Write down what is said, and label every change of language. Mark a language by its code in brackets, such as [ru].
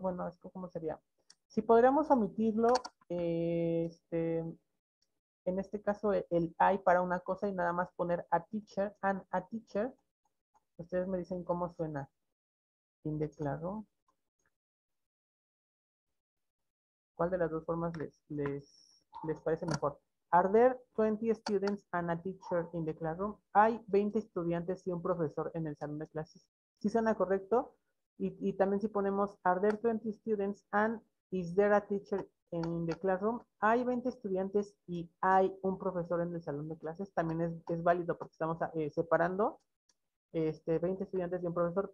[es] Bueno, esto cómo sería. Si podríamos omitirlo, en este caso el hay para una cosa y nada más poner [en] a teacher and a teacher. [es] Ustedes me dicen cómo suena. [en] In the classroom. [es] ¿Cuál de las dos formas les parece mejor? [en] Are there 20 students and a teacher in the classroom? [es] Hay 20 estudiantes y un profesor en el salón de clases. ¿Sí suena correcto? Y también si ponemos [en] are there 20 students and is there a teacher in the classroom? [es] Hay 20 estudiantes y hay un profesor en el salón de clases. También es válido porque estamos separando 20 estudiantes y un profesor.